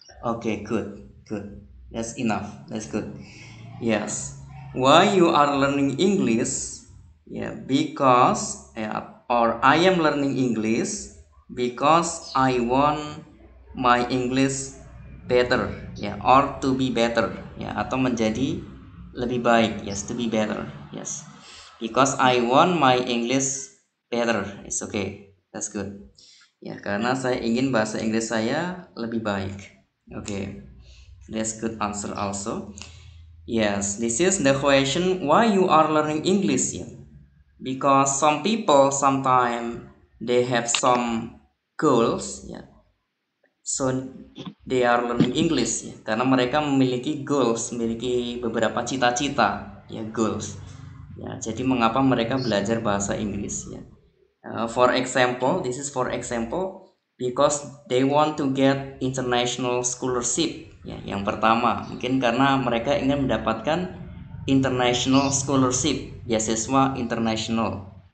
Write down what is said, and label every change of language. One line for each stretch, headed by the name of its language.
English: Okay, good. Good. That's enough. That's good. Yes. Why you are learning English? Yeah, because or I am learning English because I want my English better. Yeah, or to be better.
Indonesian: Yeah, atau menjadi lebih baik.
English: Yes, to be better. Yes. Because I want my English better. It's okay. That's good.
Indonesian: Yeah, karena saya ingin bahasa Inggris saya lebih baik.
English: Okay, that's good answer also. Yes, this is the question why you are learning English. Yeah? Because some people sometimes they have some goals. Yeah, so they are learning English. Yeah?
Indonesian: Karena mereka memiliki goals, memiliki beberapa cita-cita. Yeah, goals. Yeah, jadi mengapa mereka belajar bahasa Inggris?
English: Yeah, for example, this is for example. Because they want to get international scholarship,
Indonesian: ya, yang pertama mungkin karena mereka ingin mendapatkan international scholarship, beasiswa international.